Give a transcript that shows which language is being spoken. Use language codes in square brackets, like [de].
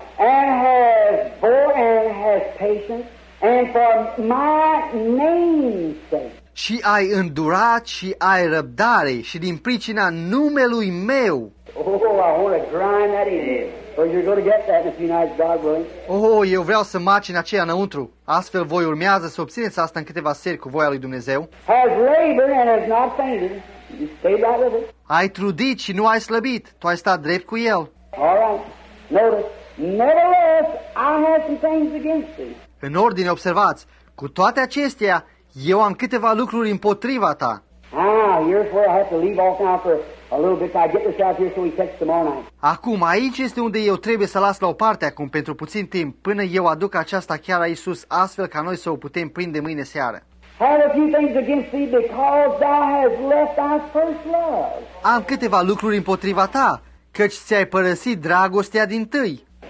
[en] And has bore and has patience and for my name's sake. [ro] Și ai îndurat și ai răbdare și din pricina numelui meu. [en] Oh, I want to grind that in. So you're going to get that if you know God willing. [ro] Oh, eu vreau să macin aceea înăuntru. Astfel voi urmează să obțineți asta în câteva seri cu voia lui Dumnezeu. [en] Has labored and has not fainted. You stayed out of it. [ro] Ai trudit și nu ai slăbit. Tu ai stat drept cu el. [en] All right. Notice. Nevertheless, I have some things against thee. [ro] În ordine, observați. Cu toate acestea, eu am câteva lucruri împotriva ta. [en] Ah, here's where I have to leave off now for a little bit. I get this out here so we catch tomorrow night. [ro] Acum, aici este unde eu trebuie să las la o parte acum pentru puțin timp, până eu aduc aceasta chiar aici sus, astfel ca noi să o putem prinde mâine seară. [en] Had a few things against thee because thou hast left thy first love. [ro] Am câteva lucruri împotriva ta, căci ți-ai părăsit dragostea din tâi.